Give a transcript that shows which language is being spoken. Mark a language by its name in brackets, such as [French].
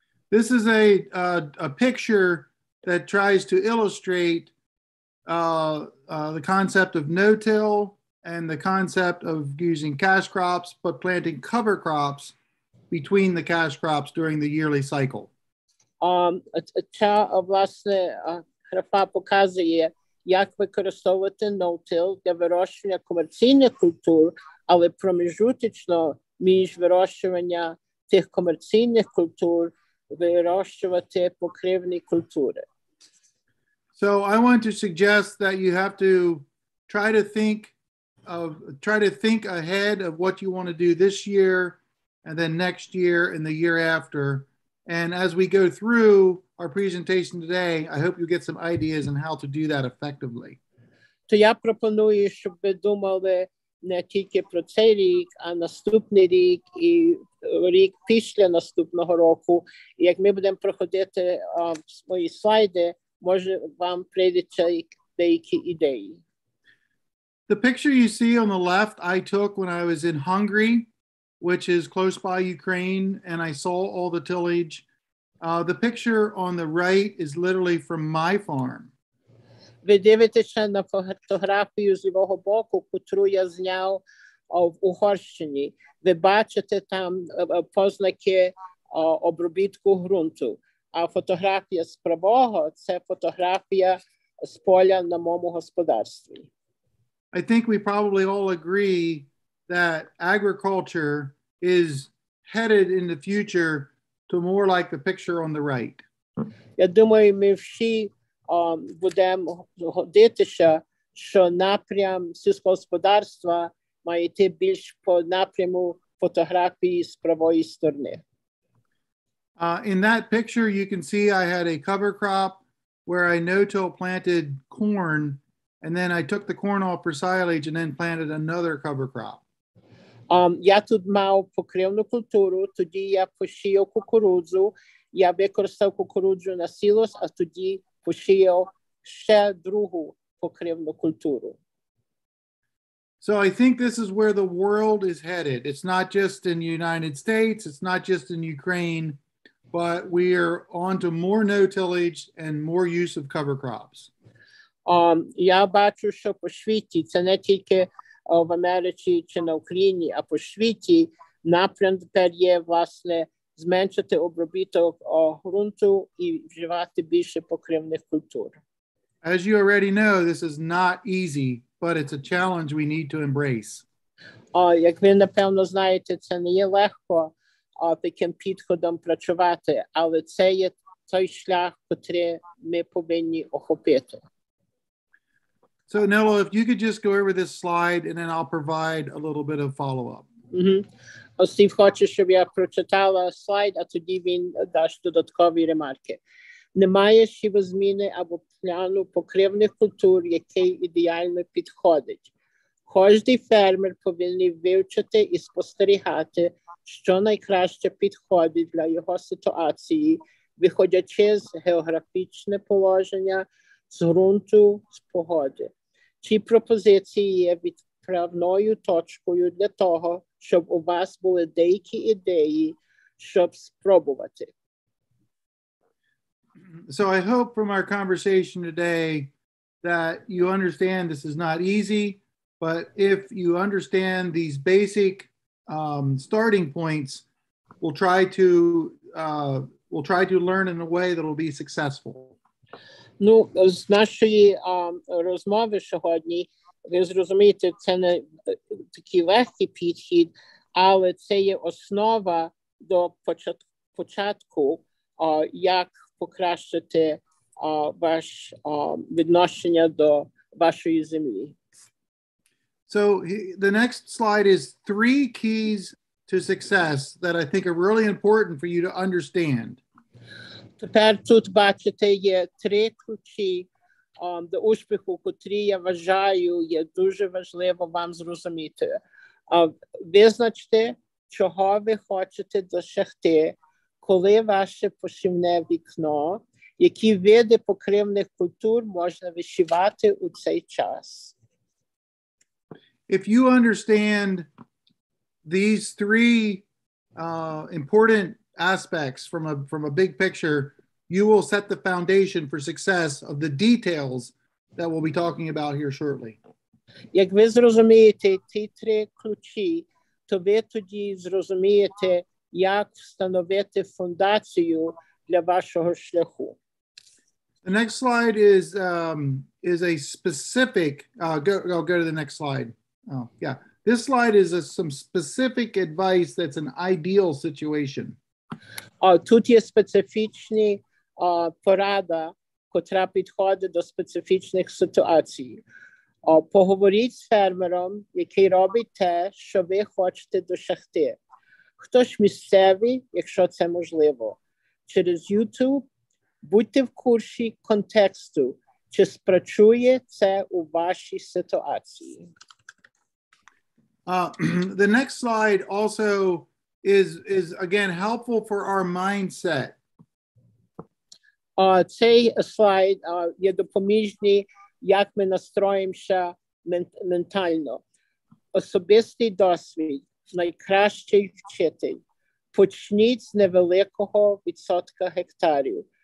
[English] This is a picture that tries to illustrate the concept of no-till and the concept of using cash crops, but planting cover crops between the cash crops during the yearly cycle. [Ukrainian] Ця, власне, графа показує, як використовувати no-till для вирощування комерційних культур, але промежуточно між вирощування тих комерційних культур вирощувати покривні культури. [English] So I want to suggest that you have to try to think ahead of what you want to do this year and then next year and the year after. And as we go through our presentation today, I hope you get some ideas on how to do that effectively. [Ukrainian] То я пропоную, щоб ви думали не тільки про цей рік, а наступний рік і рік після наступного року. І як ми будемо проходити свої слайди, може вам прийдеться деякі ідеї. [English] The picture you see on the left I took when I was in Hungary, which is close by Ukraine, and I saw all the tillage. The picture on the right is literally from my farm. [Ukrainian] Ви дивитеся на фотографію з лівого боку, котру я зняв в Угорщині. Ви бачите там познаки обробітку ґрунту. А фотографія з правого – це фотографія з поля на моєму господарстві. [English] I think we probably all agree that agriculture is headed in the future to more like the picture on the right. [Ukrainian] Я думаю, ми всі будемо ходитися, що напрям сільськогосподарства має йти більш по напряму фотографії з правої сторони. [English] In that picture, you can see I had a cover crop where I no-till planted corn, and then I took the corn off for silage and then planted another cover crop. [Ukrainian] Я тут мав покривну культуру, тоді я посіяв кукурудзу, я використав кукурудзу на сілос, а тоді посіяв ще другу покривну культуру. [English] So I think this is where the world is headed. It's not just in the United States, it's not just in Ukraine, but we are on to more no-tillage and more use of cover crops. [Ukrainian] Я бачу, що по світі, це не тільки в Америці чи на Україні, а по світі напрям тепер є, власне, зменшити обробіток ґрунту і вживати більше покривних культур. [English] As you already know, this is not easy, but it's a challenge we need to embrace. [Ukrainian] Як ви, напевно, знаєте, це не є легко таким підходом працювати, але це є той шлях, який ми повинні охопити. [English] So, Nello, if you could just go over this slide, and then I'll provide a little bit of follow-up. [Ukrainian] Стів хоче, щоб я прочитала слайд, а тоді він дасть додаткові ремарки. Немає шіва зміни або пляну покривних культур, який ідеально підходить. Кожний фермер повинен вивчити і спостерігати, що найкраще підходить для його ситуації, виходячи з географічне положення, з ґрунту, з погоди. Ці пропозиції є відправною точкою для того, щоб у вас були деякі ідеї, щоб спробувати. [English] So I hope from our conversation today that you understand this is not easy, but if you understand these basic starting points, we'll try to learn in a way that will be successful. [Ukrainian] Ну, з нашої розмови сьогодні, ви зрозумієте, це не такий легкий підхід, але це є основа до початку, як покращити ваш відношення до вашої землі. [English] So the next slide is three keys to success that I think are really important for you to understand. [Ukrainian] Тепер тут бачите є три ключі до успіху, котрі я вважаю є дуже важливо вам зрозуміти. Визначте, чого ви хочете досягти, коли ваше посівне вікно, які види покривних культур можна вишивати у цей час. [English] If you understand these three important aspects from a big picture, you will set the foundation for success of the details that we'll be talking about here shortly. [Ukrainian] Як ви зрозумієте ці три ключі, то ви тоді зрозумієте, як встановити фундацію для вашого шляху. [English] The next slide is a specific, I'll go to the next slide. Oh, yeah. This slide is some specific advice that's an ideal situation. [Ukrainian] Тут є специфічні поради, котра підходить до специфічних ситуацій. Поговоріть з фермером, який робить те, що ви хочете досягти. Хто ж місцевий, якщо це можливо? Через YouTube будьте в курсі контексту, чи спрацює це у вашій ситуації. [English] The next slide also is again helpful for our mindset. [Ukrainian] Цей слайд є допоміжний, як ми настроїмося ментально. Особистий досвід найкращий вчитель. Почніть з невеликого відсотка гектарів.